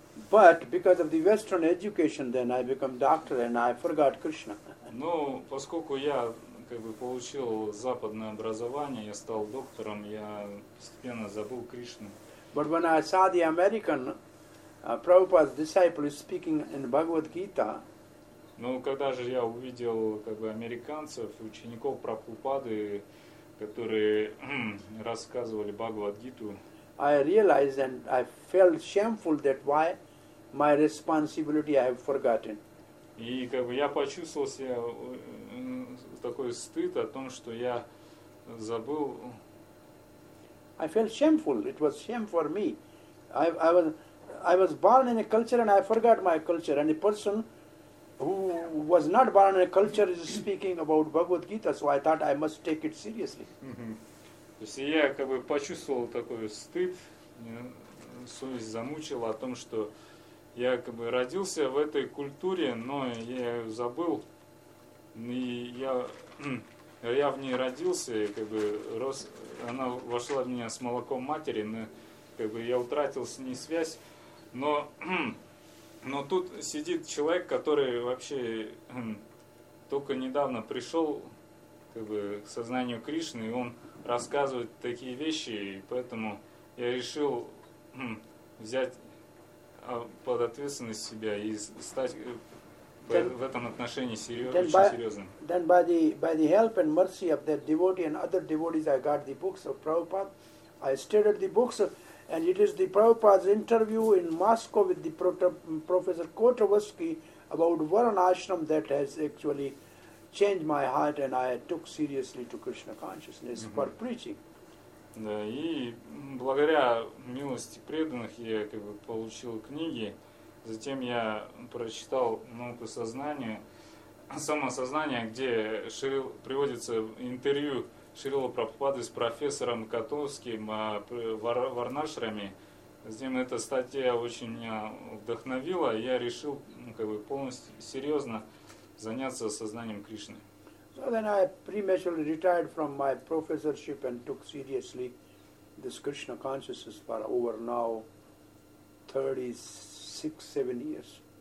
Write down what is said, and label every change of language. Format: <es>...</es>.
<en>But because of the Western education, then I become doctor and I forgot Krishna.</en> <ru>Ну, поскольку я как бы получил западное образование, я стал доктором, я постепенно забыл Кришну.</ru> <en>But when I saw the American Prabhupada's disciple speaking in Bhagavad Gita.</en> <ru>Ну, когда же я увидел как бы американцев, учеников Прабхупады, которые рассказывали Бхагавад-гиту,</ru> <en>I realized and I felt shameful that why my responsibility I have forgotten.</en> <ru>И как бы я почувствовал себя такой стыд о том, что я забыл.</ru> <en>I felt shameful. It was shame for me. I was born in a culture and I forgot my culture. And a person who was not born in a culture is speaking about Bhagavad Gita, so I thought I must take it seriously.</en> <ru>То есть я как бы почувствовал такой стыд, совесть замучила о том, что я как бы родился в этой культуре, но я ее забыл. И я в ней родился, и как бы рос, она вошла в меня с молоком матери, но как бы я утратил с ней связь. Но тут сидит человек, который вообще только недавно пришел как бы, к сознанию Кришны, и он рассказывает такие вещи, и поэтому я решил взять под ответственность себя и стать в этом отношении очень серьезным.</ru> <en>Then by the help and mercy of that devotee and other devotees, I got the books of Prabhupada. I studied the books of, and it is the Prabhupada's interview in Moscow with the Professor Kotovsky about Varanashram that has actually changed my heart, and I took seriously to Krishna consciousness for preaching.</en> <ru>Да, и благодаря милости преданных я как бы получил книги, затем я прочитал науку сознания, самосознание, где приводится интервью Шрилы Прабхупады с профессором Котовским о Варнашраме. Затем эта статья очень меня вдохновила, и я решил как бы полностью серьезно заняться сознанием Кришны.</ru> <en>So then I prematurely retired from my professorship and took seriously this Krishna consciousness for over now 36-7 years.</en>